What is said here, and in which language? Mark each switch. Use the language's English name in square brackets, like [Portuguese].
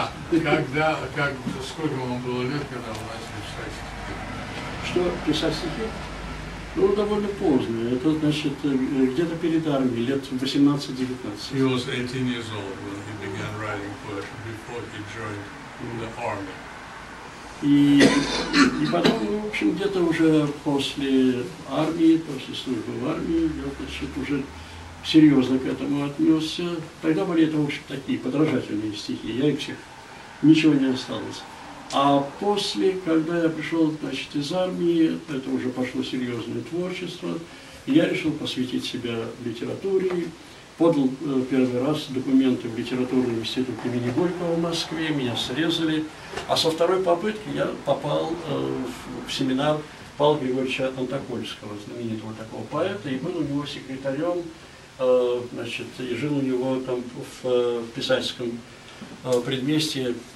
[Russian] Сколько вам было лет, когда вы начали писать стихи? Что, писать стихи? Ну, довольно поздно. Это, значит, где-то перед армией, лет 18-19. [English] He was 18 years old when he began writing poetry, before he joined the army. [Russian] И потом, ну, в общем, где-то уже после армии, после службы в армии, я, значит, уже серьезно к этому отнесся. Тогда были это, в общем, такие подражательные стихи, я их всех, ничего не осталось. А после, когда я пришел, значит, из армии, это уже пошло серьезное творчество, я решил посвятить себя литературе, подал первый раз документы в литературный институт имени Горького в Москве, меня срезали, а со второй попытки я попал в семинар Павла Григорьевича Антокольского, знаменитого такого поэта, и был у него секретарем, значит, и жил у него там в писательском предместье.